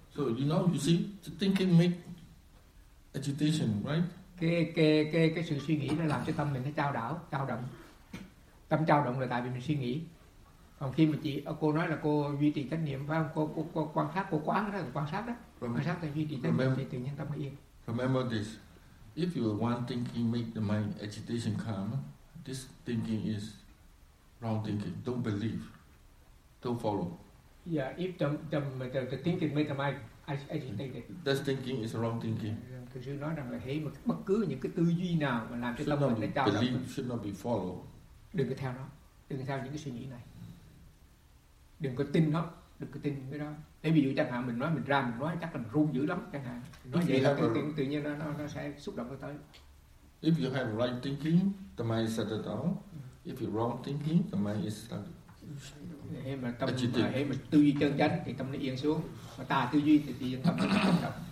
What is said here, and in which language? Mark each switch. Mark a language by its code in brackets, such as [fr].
[en] So you know, you see, thinking make agitation, right? [vi] cái sự suy nghĩ nó làm cho tâm mình nó chao đảo, chao động. Tâm chao động là tại vì mình suy nghĩ. Còn khi mà chị cô nói là cô duy trì chánh niệm, phải không? Cô quan sát, cô quán đó, quan sát đó. Quan sát là duy trì chánh niệm thì tự nhiên tâm nó yên. [en] Remember this. If you want thinking make the mind agitation calm, this thinking is wrong thinking. Don't believe. Don't follow. Yeah, if the thinking make the mind agitated. That thinking is wrong thinking. [vi] Thì sư nói rằng là thấy một bất cứ những cái tư duy nào mà làm cho tâm mình nó chao [en] đảo, should not be followed. [vi] Đừng có theo nó, đừng có theo những cái suy nghĩ này, đừng có tin nó, đừng có tin cái đó. Thế ví dụ chẳng hạn mình nói mình ra mình nói chắc là mình run dữ lắm chẳng hạn, nói vậy là tự nhiên nó sẽ xúc động nó tới. [en] If you have right thinking, the mind is settled down. If you wrong thinking, the mind is agitated. [vi] Mà tư duy chân chánh thì tâm nó yên xuống, mà tà tư duy thì tâm nó chao đảo.